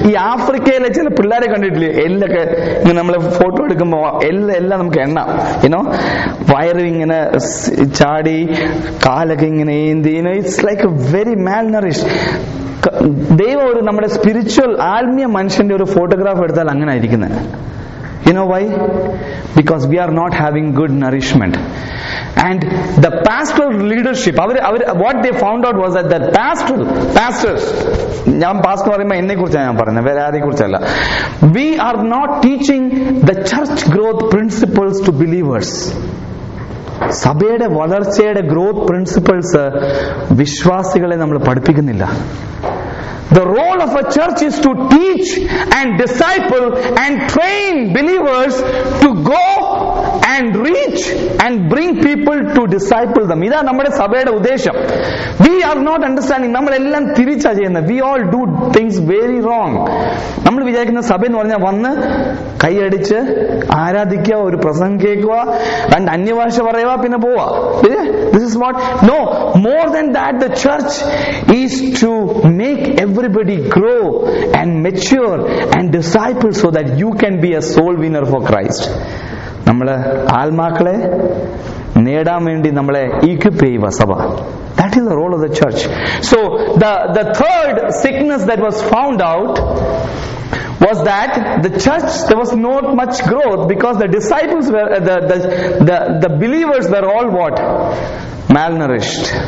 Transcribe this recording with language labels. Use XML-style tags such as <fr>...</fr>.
<ml>ഈ ആഫ്രിക്കയിലെ ചില പിള്ളേരെ കണ്ടിട്ടില്ലേ, എല്ലൊക്കെ ഇങ്ങനെ നമ്മളെ ഫോട്ടോ എടുക്കുമ്പോ എല്ലാം നമുക്ക് എണ്ണാം, യുനോ, വയറ് ഇങ്ങനെ ചാടി കാലൊക്കെ ഇങ്ങനെ ഏന്തി, യുനോ,</ml> <en>It's like very malnourished.</en> <ml>ദൈവം ഒരു നമ്മുടെ സ്പിരിച്വൽ ആത്മീയ മനുഷ്യന്റെ ഒരു ഫോട്ടോഗ്രാഫ് എടുത്താൽ അങ്ങനെ ആയിരിക്കുന്നത്.</ml> <en>You know why? Because we are not having good nourishment. And the pastoral leadership, what they found out was that the pastors,</en> <ml>ഞാൻ പാസ്റ്റർ പറയുമ്പോൾ എന്നെ കുറിച്ചാണ് ഞാൻ പറയുന്നത്, വേറെ ആരെ കുറിച്ചല്ല.</ml> <en>We are not teaching the church growth principles to believers.</en> <ml>സഭയുടെ വളർച്ചയുടെ ഗ്രോത്ത് പ്രിൻസിപ്പിൾസ് വിശ്വാസികളെ നമ്മൾ പഠിപ്പിക്കുന്നില്ല.</ml> <en>The role of a church is to teach and disciple and train believers to go and reach and bring people to disciple them.</en> <ml>ഇതാ നമ്മുടെ സഭയുടെ ഉദ്ദേശം.</ml> <en>We are not understanding.</en> <ml>നമ്മളെല്ലാം തിരിച്ചാ ചെയ്യുന്നത്.</ml> <en>We all do things very wrong.</en> <ml>നമ്മൾ വിചാരിക്കുന്ന സഭ എന്ന് പറഞ്ഞാൽ വന്ന് കൈയടിച്ച് ആരാധിക്കുക, ഒരു പ്രസംഗം കേൾക്കുക, രണ്ട് അന്യഭാഷ പറയുക, പിന്നെ പോവാ.</ml> <en>This is what? No. More than that, the church is to make everybody grow and mature and disciple so that you can be a soul winner for Christ.</en> <ml>നമ്മളെ ആത്മാക്കളെ നേടാൻ വേണ്ടി നമ്മളെ ഇക്വിപ്പ് ചെയ്യുക സഭ.</ml> <en>That is the role of the church. So the third sickness that was found out was that the church, there was not much growth because the disciples were the believers were all what? Malnourished.</en>